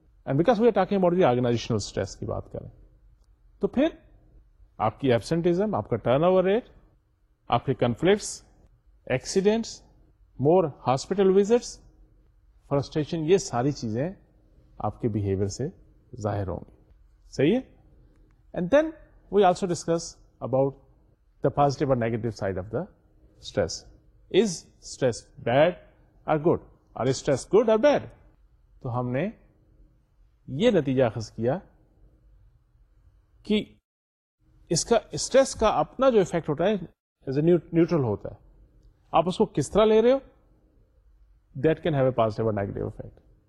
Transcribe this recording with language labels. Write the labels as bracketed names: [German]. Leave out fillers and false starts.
[English] And because we are talking about the organizational stress [Urdu] کی بات کریں، تو پھر آپ کی absenteeism، آپ کا ٹرن اوور ریٹ، آپ کے کنفلکٹس، ایکسیڈینٹس، مور ہاسپٹل وزٹس، فرسٹریشن، یہ ساری چیزیں آپ کے بیہیویئر سے ظاہر ہوں گی. صحیح. [English] And then we also discuss about the positive or negative side of the stress. Is stress bad or good? Or is stress good or bad? [Urdu] تو ہم نے یہ نتیجہ اخذ کیا کہ اس کا اسٹریس کا اپنا جو افیکٹ ہوتا ہے ایز اے نیوٹرل ہوتا ہے. آپ اس کو کس طرح لے رہے ہو، [English] That can have a positive اور negative effect.